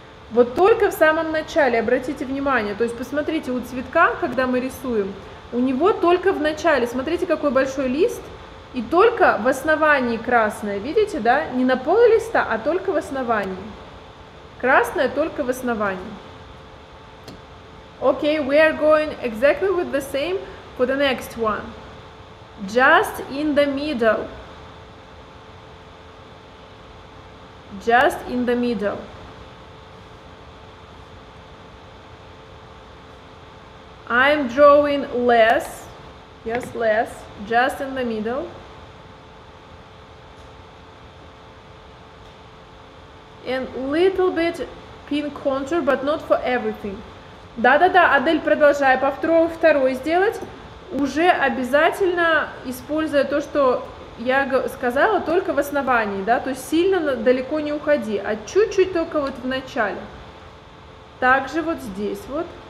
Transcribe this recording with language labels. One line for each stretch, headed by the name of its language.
Russian: Вот только в самом начале, обратите внимание, то есть посмотрите, у цветка, когда мы рисуем, у него только в начале, смотрите, какой большой лист, и только в основании красное, видите, да, не на пол листа, а только в основании. Красное только в основании.
English: Okay, we are going exactly with the same for the next one. Just in the middle. Just in the middle. I'm drawing less. Yes, less. Just in the middle. And little bit pink contour, but not for everything.
Russian: Да-да-да, Адель, продолжай. По второй сделать. Уже обязательно используя то, что я сказала, только в основании, да? То есть сильно далеко не уходи, а чуть-чуть только вот в начале. Также вот здесь вот.